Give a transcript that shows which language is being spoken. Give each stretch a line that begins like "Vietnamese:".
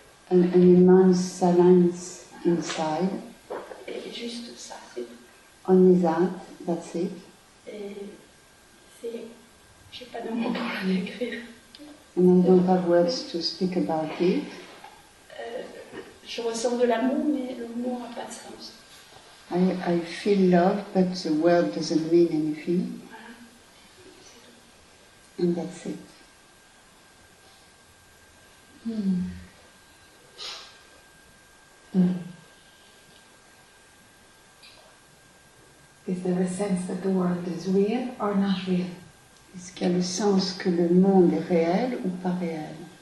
English: An immense silence inside.
French: Et juste ça, c'est
English: tout. Only that, that's it.
French: Et c'est... J'ai pas de mots pour le décrire.
English: And I don't have words to speak about it.
French: Je ressens de l'amour, mais le mot n'a pas de sens.
English: I feel love, but the word doesn't mean anything.
French: Voilà. C'est tout.
English: And that's it. Is there a sense that the world is real or not real?
French: Est-ce qu'il y a le sens que le monde est réel ou pas réel?